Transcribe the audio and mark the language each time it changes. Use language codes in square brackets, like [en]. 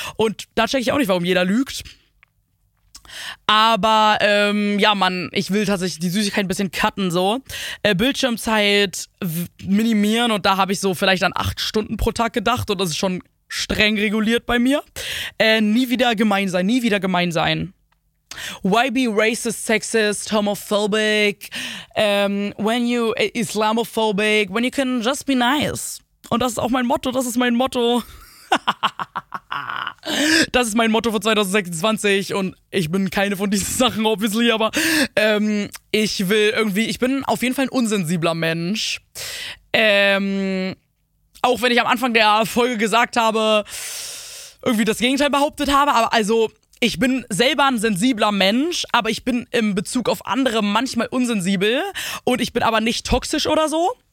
[de] Und da checke ich auch nicht, warum jeder lügt. Aber ja, Mann, ich will tatsächlich die Süßigkeit ein bisschen cutten, so. Bildschirmzeit minimieren, und da habe ich so vielleicht an 8 Stunden pro Tag gedacht, und das ist schon streng reguliert bei mir. Nie wieder gemein sein, nie wieder gemein sein. [en] Why be racist, sexist, homophobic, when you Islamophobic, when you can just be nice. [de] Und das ist auch mein Motto, das ist mein Motto. Das ist mein Motto für 2026, und ich bin keine von diesen Sachen, obviously, aber ich will irgendwie, ich bin auf jeden Fall ein unsensibler Mensch. Auch wenn ich am Anfang der Folge gesagt habe, irgendwie das Gegenteil behauptet habe, aber also, ich bin selber ein sensibler Mensch, aber ich bin in Bezug auf andere manchmal unsensibel, und ich bin aber nicht toxisch oder so.